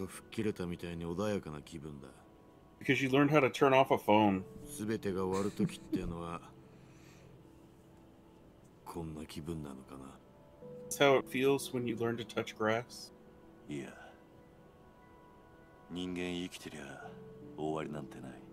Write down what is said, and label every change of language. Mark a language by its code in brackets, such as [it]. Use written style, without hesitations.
[en] Because she learned how to turn off a phone. [ja] すべてが終わる時っていうのはこんな気分なのかな。 [en] That's how it feels when you learn to touch grass. Yeah. [ja] 人間生きてりゃ終わりなんてない。